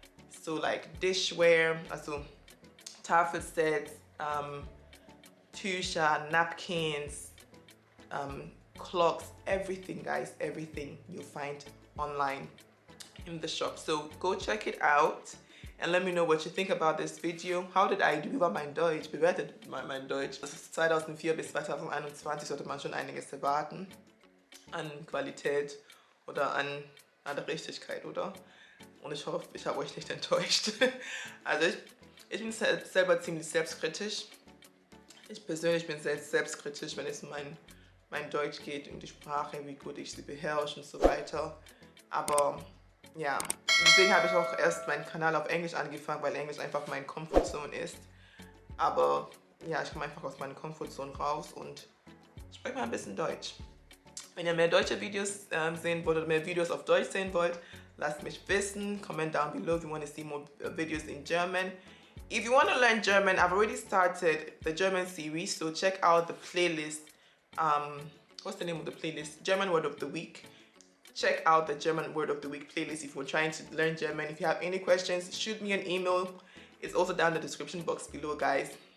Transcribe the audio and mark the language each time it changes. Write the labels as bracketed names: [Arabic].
[English] So like dishware, also tafel sets, tusha, napkins, clocks, everything guys, everything you'll find online in the shop. So go check it out and let me know what you think about this video. How did I do about [German] mein Deutsch? Bewertet mein Deutsch. Also 2004 bis 2021 sollte man schon einiges erwarten an Qualität oder an der Richtigkeit, oder? Und ich hoffe, ich habe euch nicht enttäuscht. Also ich bin selber ziemlich selbstkritisch. Ich persönlich bin sehr selbstkritisch, wenn es um mein Deutsch geht und die Sprache, wie gut ich sie beherrsche und so weiter. Aber ja, deswegen habe ich auch erst meinen Kanal auf Englisch angefangen, weil Englisch einfach meine Komfortzone ist. Aber ja, ich komme einfach aus meiner Komfortzone raus und spreche mal ein bisschen Deutsch. Wenn ihr mehr deutsche Videos sehen wollt oder mehr Videos auf Deutsch sehen wollt, lasst mich wissen. [English] Comment down below if you want to see more videos in German. If you want to learn German, I've already started the German series, so check out the playlist. What's the name of the playlist? German Word of the Week. Check out the German Word of the Week playlist if you're trying to learn German. If you have any questions, shoot me an email. It's also down in the description box below, guys.